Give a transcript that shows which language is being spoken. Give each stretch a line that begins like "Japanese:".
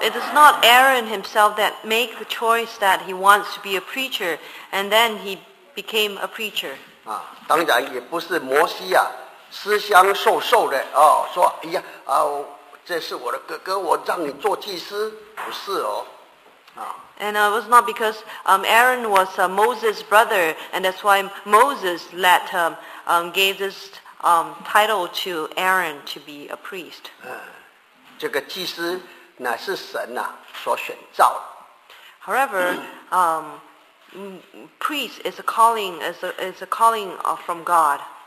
English: It is not Aaron himself that make the choice that he wants to be a preacher, and then he became a preacher.
Chinese: 当然也不是摩西思乡受受的，说这是我的哥哥，我让你做祭司，不是哦。
English: And it was not because Aaron was Moses' brother, and that's why Moses let him gave this title to Aaron to be a priest.
Chinese: 这个祭司乃是神所选召。However,
English: priest is a calling, is a calling from God.